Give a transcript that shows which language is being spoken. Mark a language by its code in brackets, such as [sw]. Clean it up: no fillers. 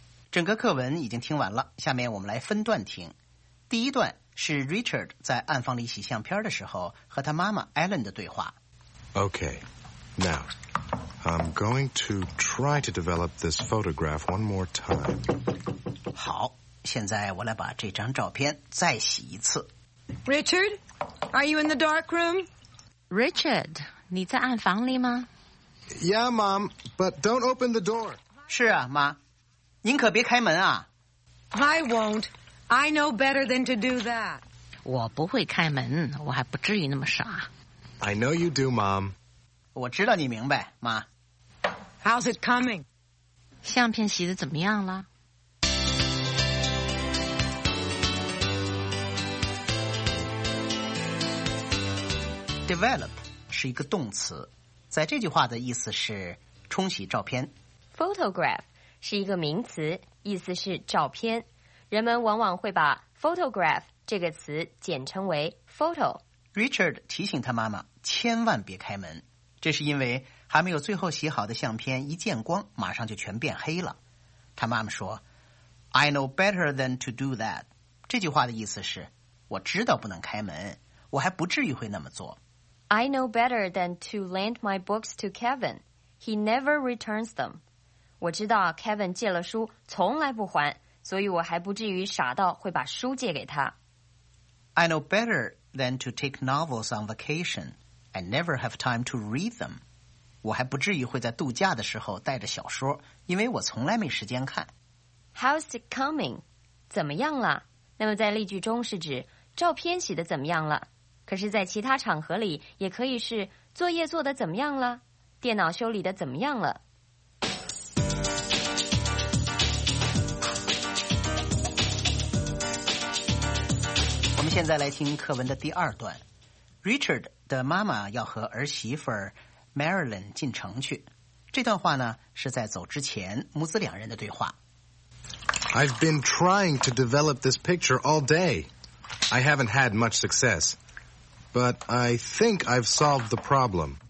[zh] 整个课文已经听完了，下面我们来分段听。第一段是 Richard 在暗房里洗相片的时候和他妈妈 Ellen 的对话。 [en] Okay, now... I'm going to try to develop this photograph one more time. [zh] 好，现在我来把这张照片再洗一次。 [en] Richard, are you in the dark room? [zh] Richard, 你在暗房里吗？ [en] Yeah, Mom, but don't open the door. [zh] 是啊，妈，您可别开门啊。 [en] I won't. I know better than to do that. [zh] 我不会开门，我还不至于那么傻。 [en] I know you do, Mom. [zh] 我知道你明白，妈。 [en] How's it coming? [zh] 相片洗得怎么样了？ Develop 是一个动词，在这句话的意思是冲洗照片。 Photograph 是一个名词，意思是照片。人们往往会把 photograph 这个词简称为 photo。 Richard 提醒他妈妈千万别开门，这是因为还没有最后洗好的相片一见光，马上就全变黑了。他妈妈说 [en] ：“I know better than to do that。” [zh] 这句话的意思是，我知道不能开门，我还不至于会那么做。 [en] I know better than to lend my books to Kevin. He never returns them. [zh] 我知道 Kevin 借了书从来不还，所以我还不至于傻到会把书借给他。 [en] I know better than to take novels on vacation. I never have time to read them. [zh] 我还不至于会在度假的时候带着小说，因为我从来没时间看。 [en] How's it coming? [zh] 怎么样了？那么在例句中是指照片洗得怎么样了？可是在其他场合里也可以是作业做得怎么样了，电脑修理得怎么样了。我们现在来听课文的第二段。Richard 的妈妈要和儿媳妇 Marilyn 进城去，这段话呢是在走之前母子两人的对话。 [en] I've been trying to develop this picture all day. I haven't had much successBut I think I've solved the problem.